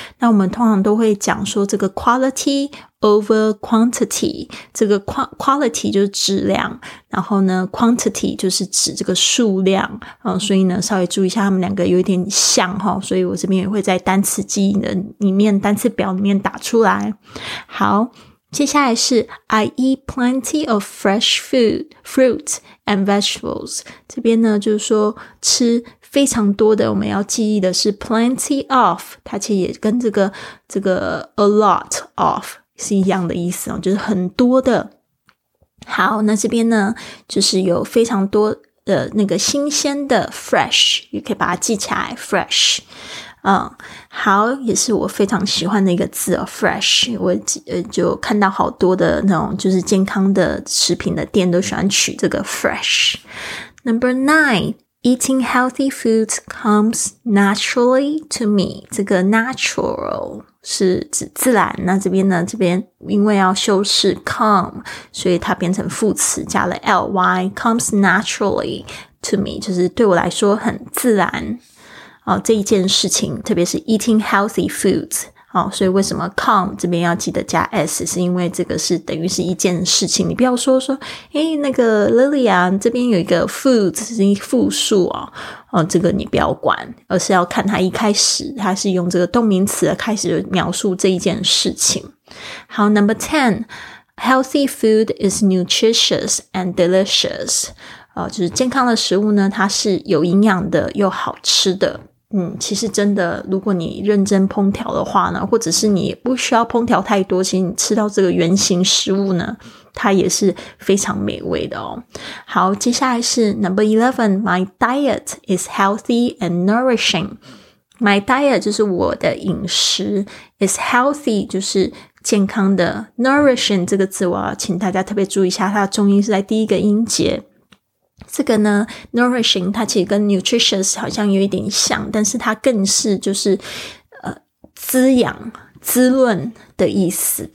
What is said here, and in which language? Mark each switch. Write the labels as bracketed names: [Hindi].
[Chinese] 那我们通常都会讲说这个 quality over quantity，这个 quality 就是质量，然后呢 quantity 就是指这个数量、所以呢稍微注意一下，他们两个有一点像、所以我这边也会在单词记忆的里面，单词表里面打出来。 [English] 好，接下来是 I eat plenty of fresh food, fruit and vegetables。 [Chinese] 这边呢就是说吃非常多的，我们要记忆的是 plenty of， 它其实也跟这个 a lot of 是一样的意思、就是很多的。好，那这边呢就是有非常多的那个新鲜的 fresh， 也可以把它记起来 fresh。好，也是我非常喜欢的一个字哦 ，fresh。我就看到好多的那种就是健康的食品的店都喜欢取这个 fresh。 [English] Number nine, eating healthy foods comes naturally to me。 [Chinese] 这个 natural 是指自然，那这边呢，这边因为要修饰 come， 所以它变成副词加了 ly， comes naturally to me，就是对我来说很自然。这一件事情，特别是 eating healthy foods，所以为什么 come 这边要记得加 s， 是因为这个是等于是一件事情。你不要说诶，那个 Lily 啊，这边有一个 foods 是复数哦，这个你不要管，而是要看它一开始它是用这个动名词的开始描述这一件事情。好， number 10， healthy food is nutritious and delicious。就是健康的食物呢，它是有营养的又好吃的。其实真的，如果你认真烹调的话呢，或者是你不需要烹调太多，其实你吃到这个原型食物呢，它也是非常美味的哦。 [English] 好，接下来是 number 11， My diet is healthy and nourishing。 [Chinese] My diet 就是我的饮食， is healthy 就是健康的， nourishing 这个字我要请大家特别注意一下，它的重音是在第一个音节。这个呢 nourishing 它其实跟 nutritious 好像有一点像，但是它更是就是滋养滋润的意思。